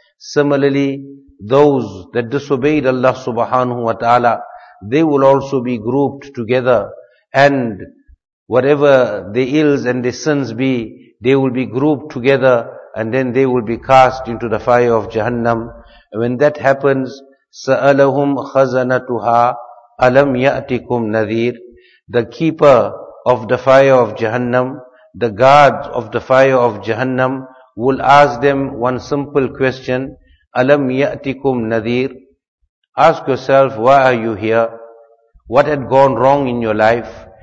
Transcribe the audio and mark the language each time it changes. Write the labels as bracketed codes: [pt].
[en] Similarly, those that disobeyed Allah subhanahu wa ta'ala, they will also be grouped together. And whatever the ills and the sins be, they will be grouped together, and then they will be cast into the fire of Jahannam. When that happens, [ar] سَأَلَهُمْ خَزَنَتُهَا أَلَمْ يَأْتِكُمْ نَذِيرٌ. [en] The keeper of the fire of Jahannam, the guard of the fire of Jahannam, will ask them one simple question, [ar] أَلَمْ يَأْتِكُمْ نَذِيرٌ. [en] Ask yourself, why are you here? What had gone wrong in your life?